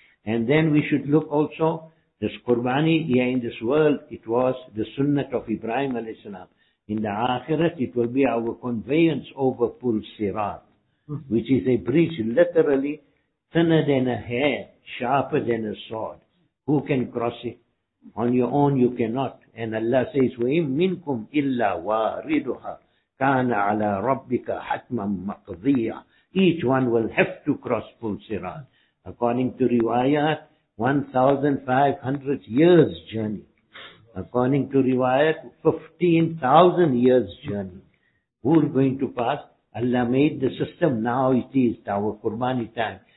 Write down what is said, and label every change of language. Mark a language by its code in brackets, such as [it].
[en] And then we should look also, this qurbani here in this world, it was the sunnah of Ibrahim alayhi salam. In the akhirat, it will be our conveyance over pul sirat, which is a bridge literally thinner than a hair, sharper than a sword. Who can cross it? On your own, you cannot. And Allah says, [ar] وَإِمْ مِنْكُمْ إِلَّا وَارِدُهَا كَانَ عَلَىٰ رَبِّكَ حَتْمًا مَقْضِيًا. [en] Each one will have to cross pul sirat. According to riwayat, 1,500 years journey. According to riwayat, 15,000 years journey. Who is going to pass? Allah made the system. Now it is our qurbani time.